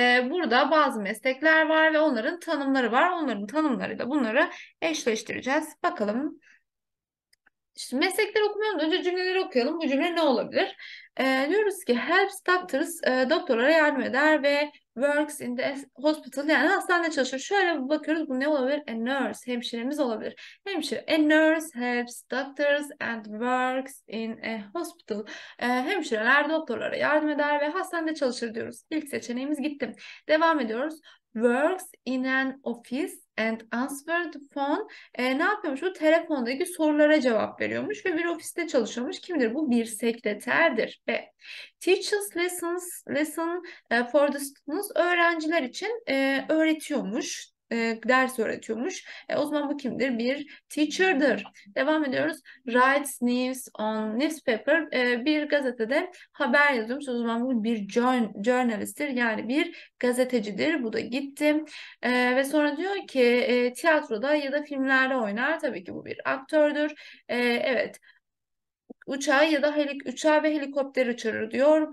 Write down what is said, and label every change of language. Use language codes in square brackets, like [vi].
[tr] Burada bazı meslekler var ve onların tanımları var. Onların tanımlarıyla bunları eşleştireceğiz. Bakalım. İşte meslekleri okumuyoruz. Önce cümleleri okuyalım. Bu cümle ne olabilir? Diyoruz ki [en] helps doctors [tr] doktorlara yardım eder ve [en] works in the hospital, [tr] yani hastanede çalışır. Şöyle bir bakıyoruz, bu ne olabilir? [en] A nurse, [tr] hemşiremiz olabilir. [en] Hemşire, a nurse helps doctors and works in a hospital. [tr] Hemşireler doktorlara yardım eder ve hastanede çalışır diyoruz. İlk seçeneğimiz gittim. Devam ediyoruz. [en] Works in an office and answered phone. [tr] Ne yapıyormuş? Bu telefondaki sorulara cevap veriyormuş ve bir ofiste çalışıyormuş. Kimdir? Bu bir sekreterdir. B. [en] Teaches lessons for the students. [tr] Öğrenciler için öğretiyormuş. Ders öğretiyormuş. O zaman bu kimdir? Bir teacher'dır. Devam ediyoruz. [en] Writes news on newspaper. [tr] Bir gazetede haber yazıyormuş. O zaman bu bir journalist'tir. Yani bir gazetecidir. Bu da gittim. Ve sonra diyor ki tiyatroda ya da filmlerde oynar. Tabii ki bu bir aktördür. Evet. Uçağı ya da uçağı ve helikopter uçurur diyor.